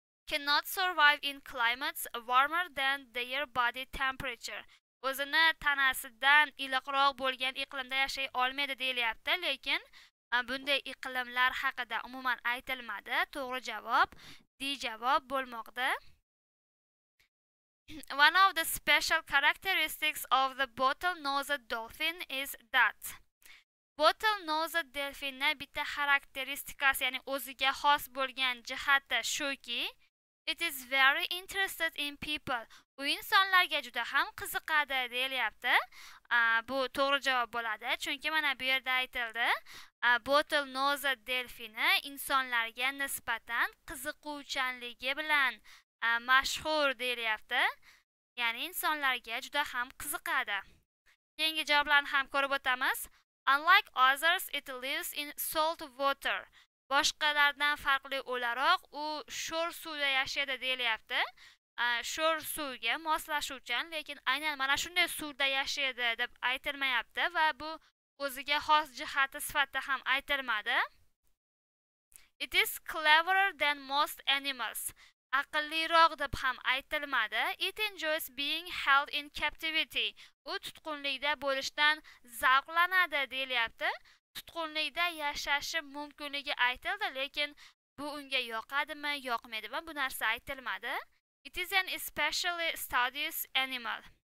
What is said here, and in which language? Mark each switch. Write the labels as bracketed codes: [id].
[en] Cannot survive in climates warmer than their body temperature. [uz] O'zini tanasidan iliqroq bo'lgan iqlimda yashay olmaydi deyilyapti, lekin bunday iqlimlar haqida umuman aytilmadi. To'g'ri javob D javob bo'lmoqda. [en] One of the special characteristics of the bottlenose dolphin is that [uz] Bottlenose delfinning bitta xarakteristikasi, ya'ni o'ziga xos bo'lgan jihati shuki, [en] it is very interested in people. [uz] U insonlarga juda ham qiziqadi, deyilyapti. Bu to'g'ri javob bo'ladi, chunki mana bu yerda aytildi. Bottlenose delfini insonlarga nisbatan qiziquvchanligi bilan mashhur, deyilyapti. Ya'ni insonlarga juda ham qiziqadi. Keyingi javoblarni ham ko'rib o'tamiz. [en] Unlike others, it lives in salt water. [uz] Boshqalardan farqli olarak, u sho'r suvda yashaydi, deyilyapti. Sho'r suvga moslashuvchan, lekin aynan mana shunday suvda yashaydi deb aytilmayapti va bu o'ziga xos jihati sifatida ham aytilmadi. [en] It is cleverer than most animals. [uz] Aqlliroq deb ham aytilmadi. [en] It enjoys being held in captivity. [uz] U tutqunlikda bo'lishdan zavqlanadi, deyilyapti. Tutqunlikda yashashi mumkinligi aytildi, lekin bu unga yoqadimi, yoqmaydimi, bu narsa aytilmadi. [en] It is an especially studious animal.